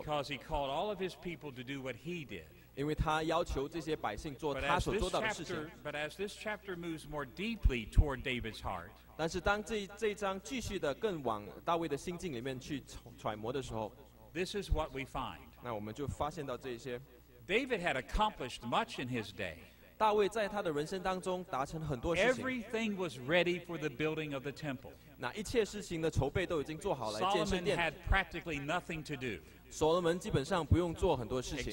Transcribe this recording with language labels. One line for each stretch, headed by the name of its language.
English: Because he called all of his people to do what he did.
Chinese: 因为他要求这些百姓做他所做到的事情。
English: But as this chapter moves more deeply toward David's heart,
Chinese: 但是当这一章继续的更往大卫的心境里面去揣摩的时候,
English: this is what we find.
Chinese: 那我们就发现到这些。
English: David had accomplished much in his day.
Chinese: 大卫在他的人生当中达成很多事情。
English: Everything was ready for the building of the temple.
Chinese: 那一切事情的筹备都已经做好了。
English: Solomon had practically nothing to do.
Chinese: 所罗门基本上不用做很多事情。